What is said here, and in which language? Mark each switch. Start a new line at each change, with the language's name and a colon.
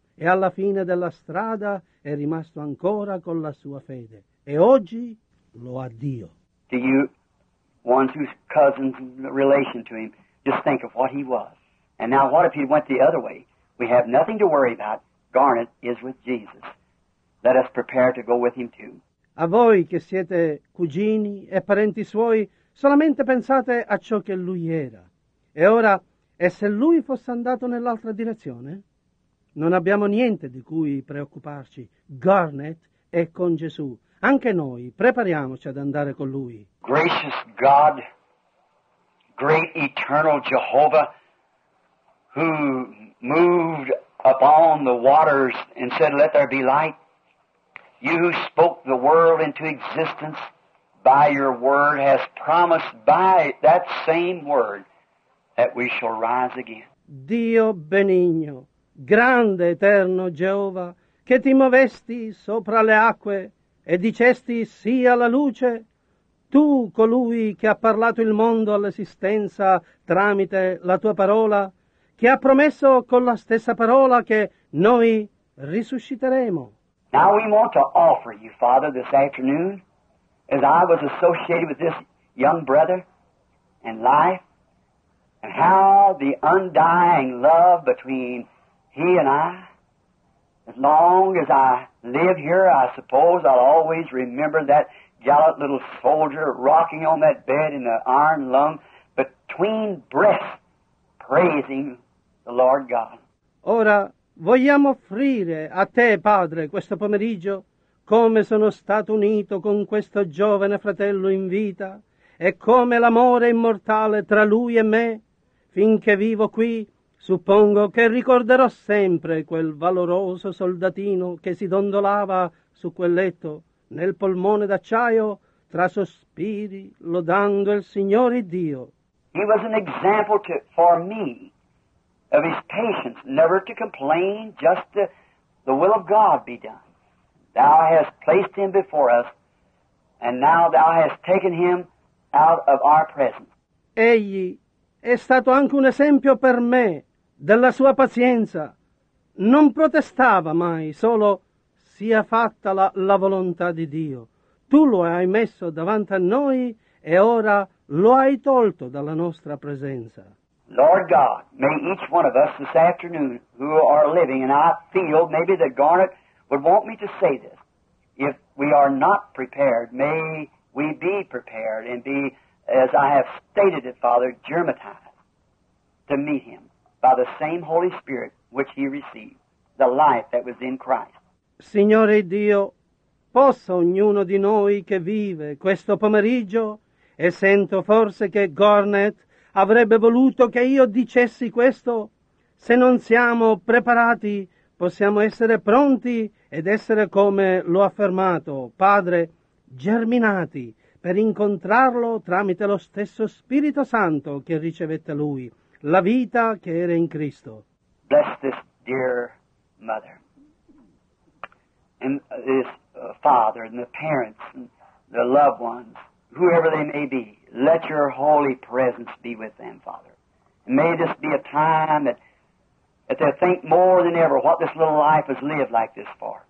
Italian: E alla fine della strada è rimasto ancora con la sua fede. E oggi lo ha Dio.
English: To you, one whose cousin's relation to him, just think of what he was. And now what if he went the other way? We have nothing to worry about. Garnet is with Jesus. Let us prepare to go with him too.
Italian: A voi che siete cugini e parenti suoi, solamente pensate a ciò che lui era. E ora, e se lui fosse andato nell'altra direzione? Non abbiamo niente di cui preoccuparci. Garnet è con Gesù. Anche noi, prepariamoci ad andare con lui.
English: Gracious God, great eternal Jehovah, who moved upon the waters and said, let there be light, you who spoke the world into existence by your word has promised by that same word that we shall rise again.
Italian: Dio benigno, grande eterno Geova, che ti movesti sopra le acque e dicesti sia la luce, tu colui che ha parlato il mondo all'esistenza tramite la tua parola, che ha promesso con la stessa parola che noi risusciteremo.
English: Now we want to offer you, Father, this afternoon, as I was associated with this young brother in life, and how the undying love between he and I, as long as I live here, I suppose I'll always remember that gallant little soldier rocking on that bed in the iron lung between breaths, praising the Lord God.
Italian: Ora, vogliamo offrire a te, Padre, questo pomeriggio come sono stato unito con questo giovane fratello in vita e come l'amore immortale tra lui e me, finché vivo qui, suppongo che ricorderò sempre quel valoroso soldatino che si dondolava su quel letto nel polmone d'acciaio tra sospiri lodando il Signore Dio.
English: He was an example for me. Of his patience, never to complain, just the will of God be done. Thou hast placed him before us, and now thou hast taken him out of our presence.
Italian: Egli è stato anche un esempio per me della sua pazienza. Non protestava mai, solo sia fatta la volontà di Dio. Tu lo hai messo davanti a noi e ora lo hai tolto dalla nostra presenza.
English: Lord God, may each one of us this afternoon who are living, and I feel maybe that Garnet would want me to say this, if we are not prepared, may we be prepared and be, as I have stated it, Father, germatized to meet him by the same Holy Spirit which he received, the life that was in Christ.
Italian: Signore Dio, possa ognuno di noi che vive questo pomeriggio e sento forse che Garnet avrebbe voluto che io dicessi questo. Se non siamo preparati, possiamo essere pronti ed essere, come l'ho affermato, Padre, germinati per incontrarlo tramite lo stesso Spirito Santo che ricevette lui, la vita che era in Cristo.
English: bless this dear mother and this father and the parents and the loved ones, whoever they may be. Let your holy presence be with them, Father. And may this be a time that they think more than ever what this little life has lived like this far.